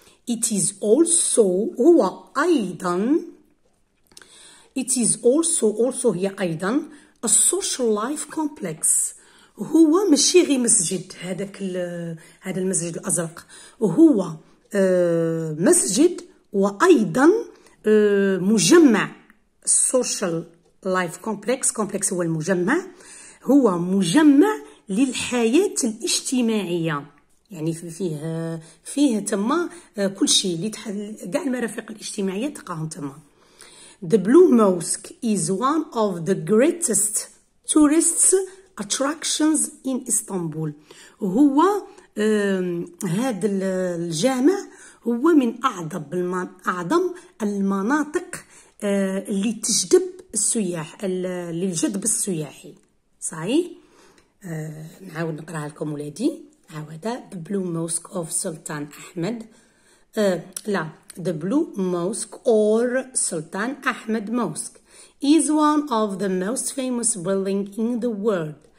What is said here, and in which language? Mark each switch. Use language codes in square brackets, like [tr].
[ar] It is also هو أيضا it is also هي أيضا a social life complex، هو ماشي غير مسجد، هذا المسجد الأزرق هو مسجد وأيضا مجمع. social life complex، complex هو المجمع، هو مجمع للحياة الاجتماعية، يعني فيه تما كل شيء، كاع المرافق الاجتماعية تقاهم تما. [en] The Blue Mosque is one of the greatest tourist attractions in Istanbul. [ar] هو هذا الجامع هو من أعظم المناطق اللي تجذب السياح، للجذب السياحي، صحيح؟ نعاود نقراها لكم ولادي. [en] هذا The Blue Mosque of Sultan Ahmed، The Blue Mosque or Sultan Ahmed Mosque is one of the most famous building in the world.